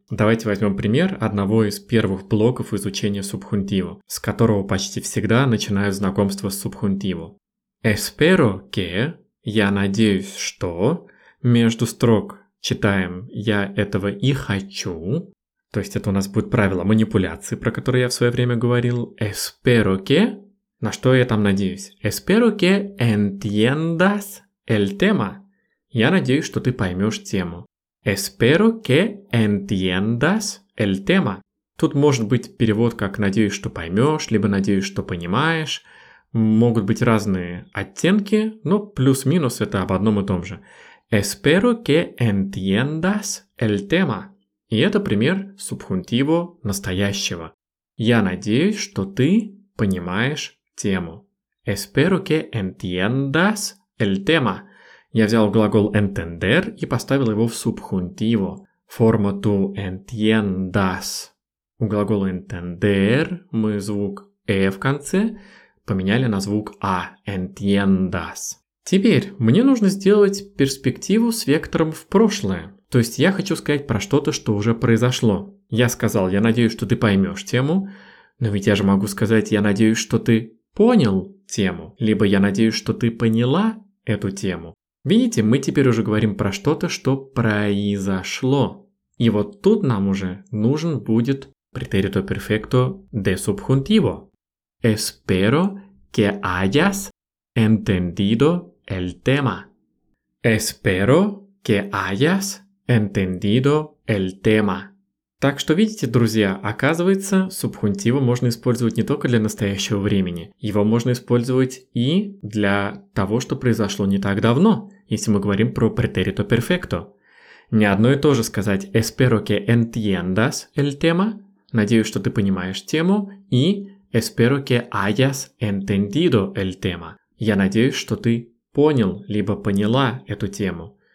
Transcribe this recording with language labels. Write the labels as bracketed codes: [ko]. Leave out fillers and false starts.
[ru] Давайте возьмем пример одного из первых блоков изучения субхунтиво, с которого почти всегда начинают знакомство с субхунтиво. [es] Espero que, [ru] я надеюсь, что, между строк читаем «я этого и хочу», то есть это у нас будет правило манипуляции, про которое я в свое время говорил. [es] Espero que. [ru] На что я там надеюсь? [es] Espero que entiendas el tema. [ru] Я надеюсь, что ты поймешь тему. [es] Espero que entiendas el tema. [ru] Тут может быть перевод как «надеюсь, что поймешь», либо «надеюсь, что понимаешь». Могут быть разные оттенки, но плюс-минус это об одном и том же. [es] Espero que entiendas el tema. [ru] И это пример субхунтиво настоящего. Я надеюсь, что ты понимаешь тему. [es] Espero que entiendas el tema. [ru] Я взял глагол entender и поставил его в субхунтиво. Форма to entiendas. У глагола entender мы звук e в конце поменяли на звук a. [es] Entiendas. [ru] Теперь мне нужно сделать перспективу с вектором в прошлое. То есть я хочу сказать про что-то, что уже произошло. Я сказал, я надеюсь, что ты поймешь тему. Но ведь я же могу сказать, я надеюсь, что ты понял тему, либо я надеюсь, что ты поняла эту тему. Видите, мы теперь уже говорим про что-то, что произошло. И вот тут нам уже нужен будет претерито перфекто де субхунтиво. [es] Espero que hayas entendido el tema. Espero que hayas entendido el tema. [ru] Так что видите, друзья, оказывается, субхунтиво можно использовать не только для настоящего времени. Его можно использовать и для того, что произошло не так давно, если мы говорим про претерито перфекто. Не одно и то же сказать [es] «espero que entiendas el tema» [ru] — «надеюсь, что ты понимаешь тему» и [es] «espero que hayas entendido el tema» [ru] — «я надеюсь, что ты понял либо поняла эту тему».